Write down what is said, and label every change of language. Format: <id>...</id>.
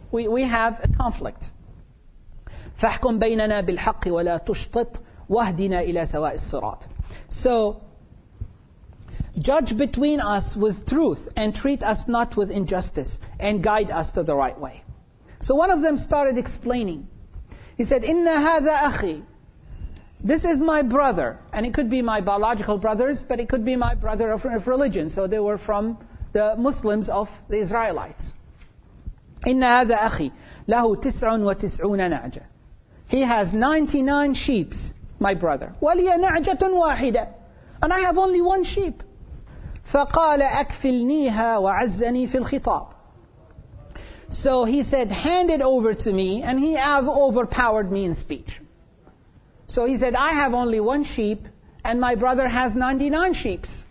<en>We have a conflict.</en> <ar>فَحْكُمْ بَيْنَنَا بِالْحَقِّ وَلَا تُشْطِطْ وَهْدِنَا إِلَى سَوَاءِ الصِّرَاطِ</ar> <en>So, judge between us with truth and treat us not with injustice and guide us to the right way. So one of them started explaining. He said,</en> <ar>إِنَّ هَذَا أَخِي</ar> <en>This is my brother. And it could be my biological brothers, but it could be my brother of religion. So they were from the Muslims of the Israelites.</en> <ar>إِنَّ هَذَا أَخِي لَهُ تِسْعٌ وَتِسْعُونَ نَعْجَةً</ar> <en>He has 99 sheep, my brother.</en> <ar>وَلِيَ نَعْجَةٌ وَاحِدَةٌ</ar> <en>And I have only one sheep.</en> <ar>فَقَالَ أَكْفِلْنِيهَا وَعَزَّنِي فِي الْخِطَابِ</ar> <en>So he said, hand it over to me, and he have overpowered me in speech. So he said, I have only one sheep, and my brother has 99 sheep.</en>